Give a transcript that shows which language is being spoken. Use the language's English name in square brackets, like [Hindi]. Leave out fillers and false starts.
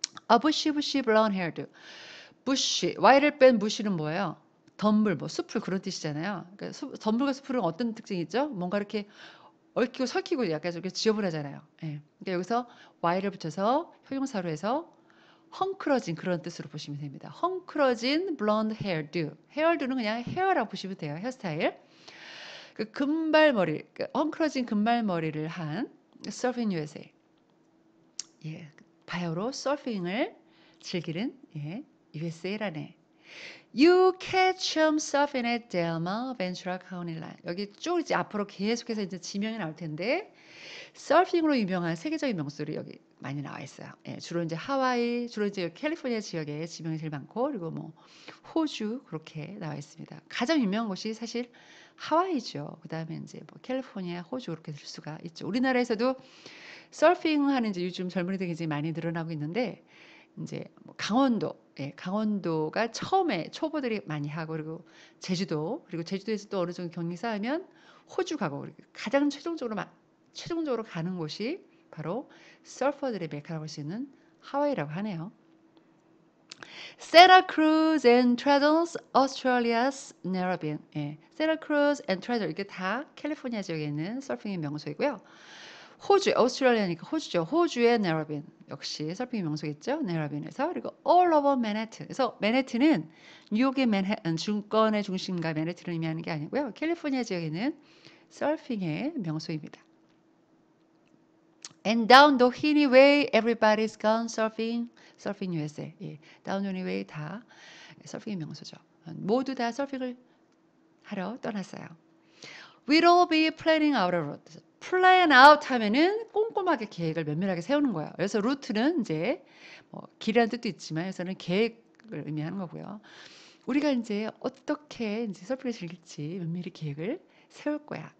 [English] A bushy, bushy, blonde haired. Bushy, [Korean] Y를 뺀 bushy는 뭐예요? 덤불, 뭐 숲을 그런 뜻이잖아요. 그러니까 덤불과 숲은 어떤 특징이 있죠? 뭔가 이렇게 얽히고 설키고 약간 이렇게 지저분하잖아요. 예. 그러니까 여기서 Y를 붙여서 형용사로 해서 헝클어진 그런 뜻으로 보시면 됩니다. 헝클어진 blonde haired. haired는 그냥 헤어라고 보시면 돼요. 헤어스타일. 그 금발머리, 엉클어진 금발머리를 한 Surfing USA. 예, 바야흐로 서핑을 즐기는 예, USA라네. [English] You catch them surfing at Delma, Ventura County Line. [Korean] 여기 쭉 이제 앞으로 계속해서 이제 지명이 나올 텐데 서핑으로 유명한 세계적인 명소들이 여기 많이 나와 있어요. 예, 주로 이제 하와이, 주로 이제 캘리포니아 지역에 지명이 제일 많고 그리고 뭐 호주 그렇게 나와 있습니다. 가장 유명한 곳이 사실 하와이죠. 그 다음에 이제 뭐 캘리포니아, 호주 이렇게 될 수가 있죠. 우리나라에서도 서핑하는 이제 요즘 젊은이들이 이제 많이 늘어나고 있는데 이제 뭐 강원도, 예, 강원도가 처음에 초보들이 많이 하고 그리고 제주도, 그리고 제주도에서 또 어느 정도 경력이 쌓으면 호주 가고 가장 최종적으로 가는 곳이 바로 서퍼들의 메카라고 할 수 있는 하와이라고 하네요. [English] Santa Cruz and Treadles, Australia's Narrabeen. 예. [Korean] Santa Cruz and Treadles 이게 다 캘리포니아 지역에 있는 서핑의 명소이고요. 호주, 오스트레일리아니까 호주죠. 호주의 내러빈 역시 서핑 명소겠죠. 내러빈에서 그리고 [English] All Over Manhattan. [Korean] 그래서 맨해튼은 뉴욕의 맨해튼, 중권의 중심가 맨해튼을 의미하는 게 아니고요. 캘리포니아 지역에는 서핑의 명소입니다. [English] And down the Hini Way, everybody's gone surfing. Surfing USA. 예. [Korean] Down the Hini Way 다 서핑의 명소죠. 모두 다 서핑을 하러 떠났어요. [English] We'll all be planning our route. [Korean] Plan out 하면은 꼼꼼하게 계획을 면밀하게 세우는 거예요. 그래서 루트는 이제 뭐 길이라는 뜻도 있지만 여기서는 계획을 의미하는 거고요. 우리가 이제 어떻게 이제 서핑을 즐길지 면밀히 계획을 세울 거야.